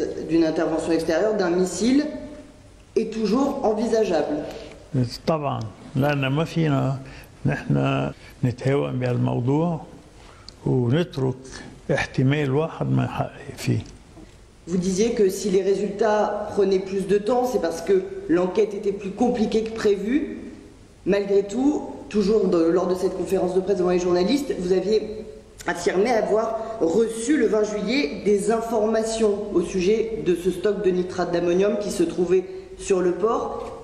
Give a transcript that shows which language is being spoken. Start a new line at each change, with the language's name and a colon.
French: d'une intervention extérieure, d'un missile, est toujours envisageable.
Arabic: طبعا لأن ما فينا نحن نتهاون بهالموضوع ونترك احتمال واحد ما يحقق فيه.
French: Vous disiez que si les résultats prenaient plus de temps, c'est parce que l'enquête était plus compliquée que prévu. Malgré tout, toujours lors de cette conférence de presse devant les journalistes, vous aviez affirmé avoir reçu le 20 juillet des informations au sujet de ce stock de nitrate d'ammonium qui se trouvait sur le port.